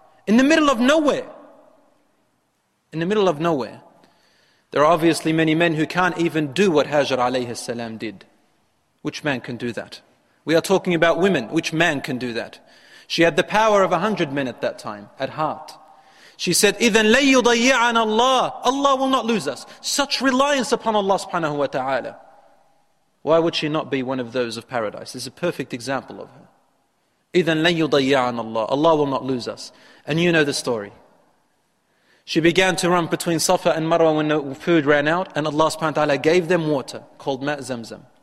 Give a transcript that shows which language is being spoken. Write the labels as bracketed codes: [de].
[en] In the middle of nowhere. In the middle of nowhere. There are obviously many men who can't even do what Hajar alayhi salam did. Which man can do that? We are talking about women. Which man can do that? She had the power of 100 men at that time, at heart. She said, [ar] إِذَنْ لَيُضَيِّعَنَ اللَّهُ. [en] Allah will not lose us. Such reliance upon Allah subhanahu wa ta'ala. Why would she not be one of those of paradise? This is a perfect example of her. [ar] إِذَنْ لَيُضَيِّعَنَ اللَّهُ. [en] Allah will not lose us. And you know the story. She began to run between Safa and Marwa when the food ran out, and Allah subhanahu wa ta'ala gave them water called Ma' Zamzam.